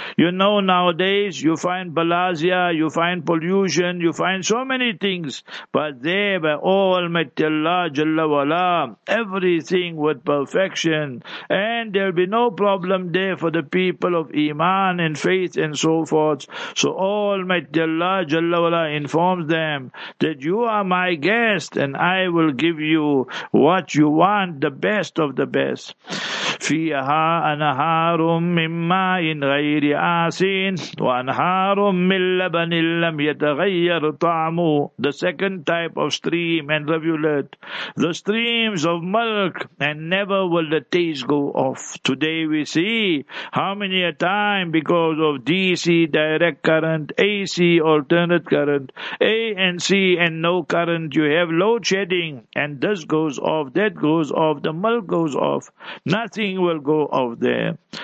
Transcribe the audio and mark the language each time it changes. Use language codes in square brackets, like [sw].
[en] You know, nowadays you find balazia, you find pollution, you find so many things, but there by Almighty Allah Jalla Wala, everything with perfection, and there'll be no problem there for the people of Iman and faith and so forth. So Almighty Allah Jalla Wala informs them that you are my guest and I will give you what you want, the best of the best. [ar] فيها أنهار من ماء غير آسين وأنهار من لبن لم يتغير طعمه. [en] The second type of stream and rivulet, the streams of milk, and never will the taste go off. Today we see how many a time, because of DC direct current, AC alternate current, ANC and no current, you have load shedding, and this goes off, that goes off, the milk goes off, nothing will go off there.